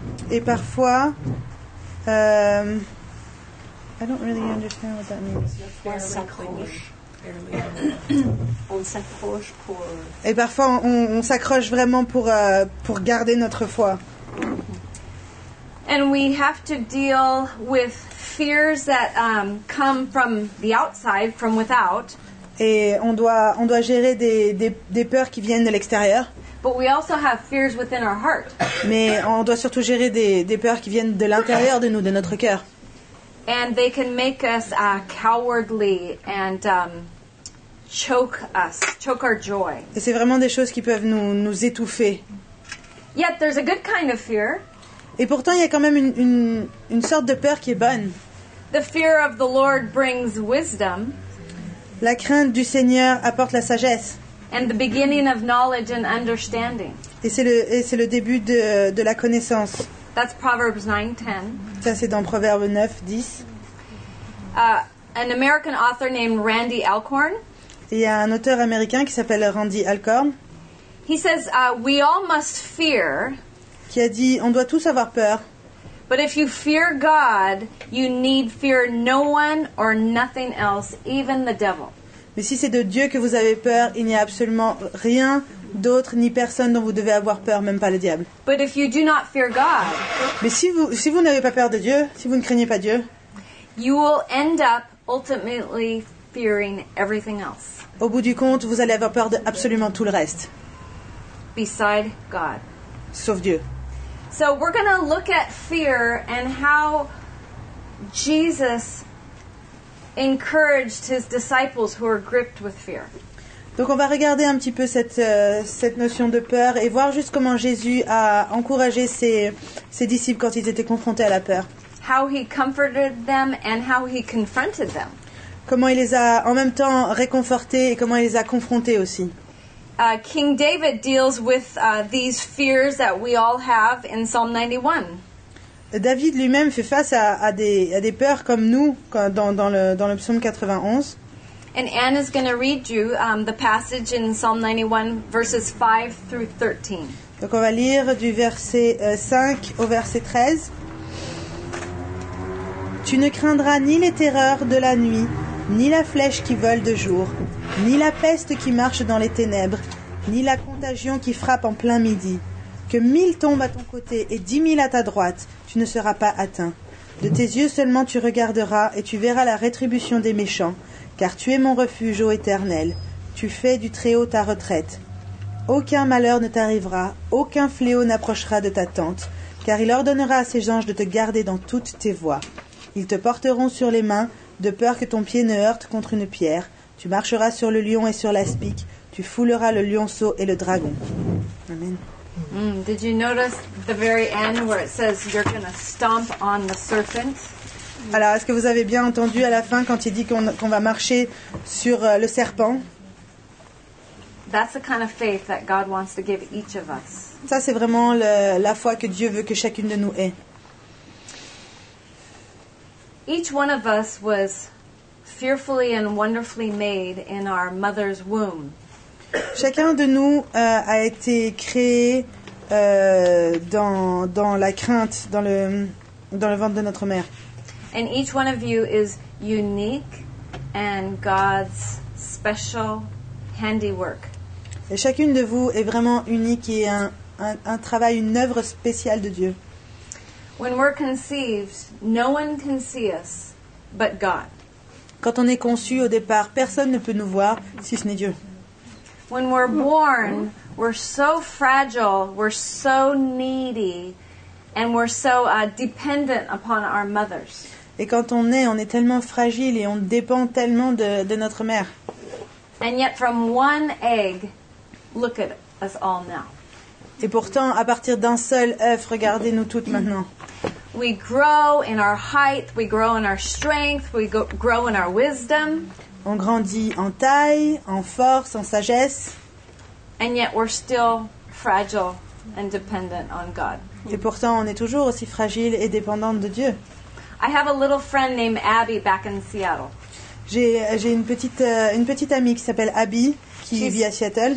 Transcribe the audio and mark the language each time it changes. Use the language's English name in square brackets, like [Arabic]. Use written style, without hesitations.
[French] Et parfois, [English] I don't really understand what that means. [French] On s'accroche pour. Et parfois, on s'accroche vraiment pour garder notre foi. [English] And we have to deal with fears that come from the outside, from without. [French] Et on doit gérer des peurs qui viennent de l'extérieur. [English] But we also have fears within our heart. [French] Mais on doit surtout gérer des peurs qui viennent de l'intérieur de nous, de notre cœur. [English] And they can make us cowardly and choke us, choke our joy. [French] Et c'est vraiment des choses qui peuvent nous étouffer. [English] Yet there's a good kind of fear. [French] Et pourtant, il y a quand même une sorte de peur qui est bonne. [English] The fear of the Lord brings wisdom. [French] La crainte du Seigneur apporte la sagesse. [English] And the beginning of knowledge and understanding. [French] Et c'est le début de la connaissance. [English] That's Proverbs 9:10. [French] Ça, c'est dans Proverbes 9:10. [English] An American author named Randy Alcorn. [French] Il y a un auteur américain qui s'appelle Randy Alcorn. [English] He says, "We all must fear." [French] Qui a dit, on doit tous avoir peur. [English] But if you fear God, you need fear no one or nothing else, even the devil. [French] Mais si c'est de Dieu que vous avez peur, il n'y a absolument rien d'autre ni personne dont vous devez avoir peur, même pas le diable. [English] But if you do not fear God, [French] mais si vous n'avez pas peur de Dieu, si vous ne craignez pas Dieu, [English] you will end up ultimately fearing everything else. [French] Au bout du compte, vous allez avoir peur de absolument tout le reste. [English] Beside God. [French] Sauf Dieu. [English] So we're going to look at fear and how Jesus encouraged his disciples who were gripped with fear. [French] Donc on va regarder un petit peu cette notion de peur et voir juste comment Jésus a encouragé ses disciples quand ils étaient confrontés à la peur. [English] How he comforted them and how he confronted them. [French] Comment il les a en même temps réconfortés et comment il les a confrontés aussi. [English] King David deals with these fears that we all have in Psalm 91. [French] David lui-même fait face à des peurs comme nous dans le psaume 91. [English] And Anne is going to read you the passage in Psalm 91, verses 5 through 13. [French] Donc on va lire du verset 5 au verset 13. Tu ne craindras ni les terreurs de la nuit, ni la flèche qui vole de jour, ni la peste qui marche dans les ténèbres, ni la contagion qui frappe en plein midi. Que 1000 tombent à ton côté et 10 000 à ta droite, tu ne seras pas atteint. De tes yeux seulement tu regarderas et tu verras la rétribution des méchants, car tu es mon refuge, ô Éternel. Tu fais du Très-Haut ta retraite. Aucun malheur ne t'arrivera, aucun fléau n'approchera de ta tente, car il ordonnera à ses anges de te garder dans toutes tes voies. Ils te porteront sur les mains, de peur que ton pied ne heurte contre une pierre. Tu marcheras sur le lion et sur l'aspic, tu fouleras le lionceau et le dragon. Amen. [English] Did you notice the very end where it says you're going to stomp on the serpent? [French] Alors, est-ce que vous avez bien entendu à la fin quand il dit qu'on va marcher sur le serpent? [English] That's the kind of faith that God wants to give each of us. [French] Ça, c'est vraiment la foi que Dieu veut que chacune de nous ait. [English] Each one of us was fearfully and wonderfully made in our mother's womb. [French] Chacun de nous a été créé dans la crainte, dans le ventre de notre mère. [English] And each one of you is unique and God's special handiwork. [French] Et chacune de vous est vraiment unique et un travail, une œuvre spéciale de Dieu. [English] When we're conceived, no one can see us but God. [French] Quand on est conçu au départ, personne ne peut nous voir si ce n'est Dieu. [English] When we're born, we're so fragile, we're so needy, and we're so dependent upon our mothers. [French] Et quand on naît, on est tellement fragile et on dépend tellement de notre mère. [English] And yet from one egg, look at us all now. [French] Et pourtant, à partir d'un seul œuf, regardez-nous toutes maintenant. [English] We grow in our height, we grow in our strength, we grow in our wisdom. [French] On grandit en taille, en force, en sagesse. [English] And yet we're still fragile and dependent on God. [French] Et pourtant, on est toujours aussi fragile et dépendante de Dieu. [English] I have a little friend named Abby back in Seattle. [French] J'ai une petite amie qui s'appelle Abby qui vit à Seattle.